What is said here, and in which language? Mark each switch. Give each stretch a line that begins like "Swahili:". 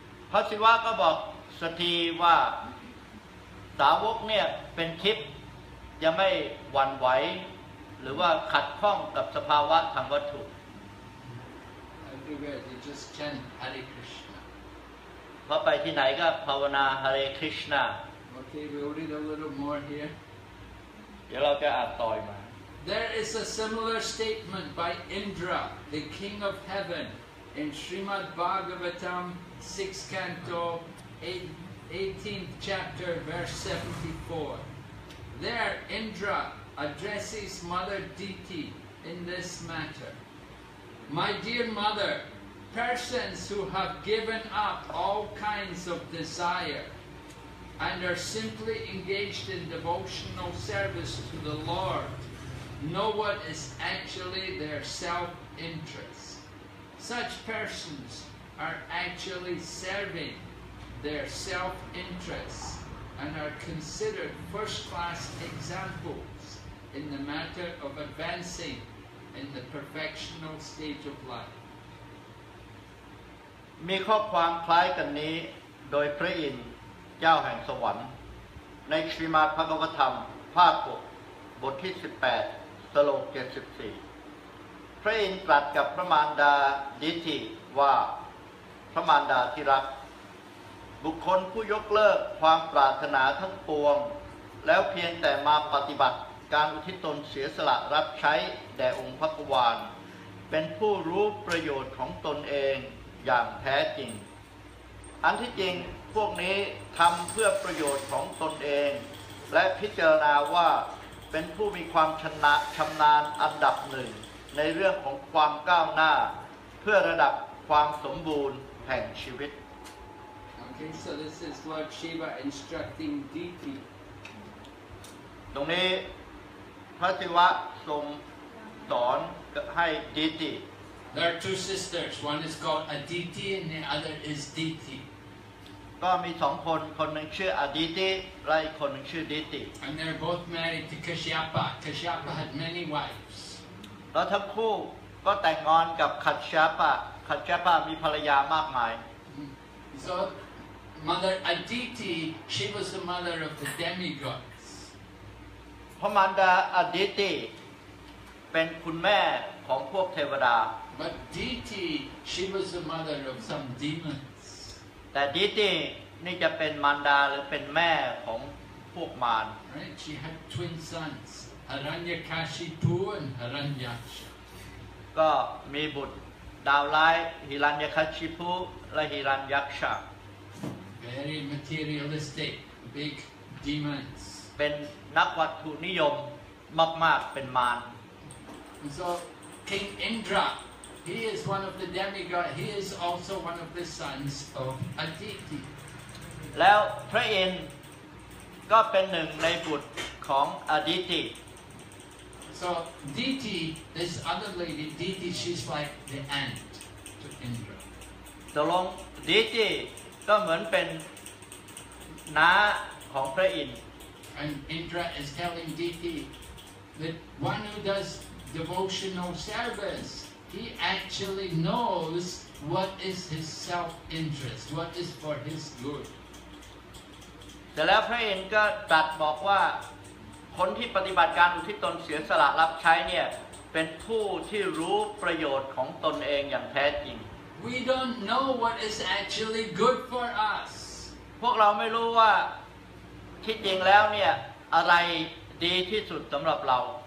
Thai: พระศิวะก็บอกสตรีว่าสาวกเนี่ยเป็นทิพย์ยังไม่หวั่นไหวหรือว่าขัดข้องกับสภาวะทางวัตถุ
English: Everywhere they just chant Hare Krishna
Thai: พอไปที่ไหนก็ภาวนา Hare Krishna
English: Okay, we'll read a little more here
Thai: เดี๋ยวเราจะอ่านต่ออีกมา
English: There is a similar statement by Indra, the King of Heaven in Srimad Bhagavatam 6th Canto 18th chapter, verse 74. There, Indra addresses Mother Diti in this matter. My dear mother, persons who have given up all kinds of desire and are simply engaged in devotional service to the Lord know what is actually their self-interest. Such persons are actually serving. Their self-interest and are considered first-class examples in the matter of advancing in the perfectional stage of life.
Thai: มีข้อความคล้ายกันนี้โดยพระอินทร์เจ้าแห่งสวรรค์ในศรีมาพระกวธรรมภาค6บทที่18สโลก74พระอินทร์ตรัสกับพระมารดาดิติว่าพระมารดาที่รัก บุคคลผู้ยกเลิกความปรารถนาทั้งปวงแล้วเพียงแต่มาปฏิบัติการอุทิศตนเสียสละรับใช้แด่องค์พระกวานเป็นผู้รู้ประโยชน์ของตนเองอย่างแท้จริงอันที่จริงพวกนี้ทำเพื่อประโยชน์ของตนเองและพิจารณาว่าเป็นผู้มีความชนะชำนาญอันดับหนึ่งในเรื่องของความก้าวหน้าเพื่อระดับความสมบูรณ์แห่งชีวิต
English: Okay, so this is Lord Shiva instructing Diti.
Thai: ตรงนี้พระศิวะทรงสอนให้ Diti.
English: There are two sisters. One is called Aditi and the other is Diti.
Thai: ก็มีสองคนคนหนึ่งชื่อ Aditi และอีกคนหนึ่งชื่อ Diti.
English: And they're both married to Kashyapa. Kashyapa had many wives.
Thai: แล้วทั้งคู่ก็แต่งงานกับ Kashyapa. Kashyapa มีภรรยามากมาย
English: So,Mother Aditi, she was the mother of the demigods.
Thai: Pramanda Aditi, เป็นคุณแม่ของพวกเทวดา
English: But Diti, she was the mother of some demons.
Thai: แต่ Diti นี่จะเป็นมารดาหรือเป็นแม่ของพวกมาร
English: Right? She had twin sons, Hiranyakashipu and Hiranyaksha.
Thai: ก็มีบุตรดาวร้าย Hiranyakashipu และ Hiranyaksha.
English: Very materialistic, big demons.
Thai: เป็นนักวัตถุนิยมมากๆเป็นมาร
English: So King Indra, he is one of the demigods. He is also one of the sons of Aditi.
Thai: แล้วพระอินทร์ก็เป็นหนึ่งในบุตรของ Aditi.
English: So Diti, this other lady, Diti, she's like the aunt to Indra.
Thai: ตกลง Diti. ก็เหมือนเป็นน้าของพระอินทร์
English: And Indra is telling Diti that one who does devotional service, he actually knows what is his self-interest, what is for his good.
Thai: แต่แล้วพระอินทร์ก็ตรัสบอกว่าคนที่ปฏิบัติการอุทิศตนเสียสละรับใช้เนี่ยเป็นผู้ที่รู้ประโยชน์ของตนเองอย่างแท้จริง
English: We don't know what is actually good for us.
Thai: พวกเราไม่รู้ว่าที่จริงแล้วเนี่ยอะไรดีที่สุดสำหรับเรา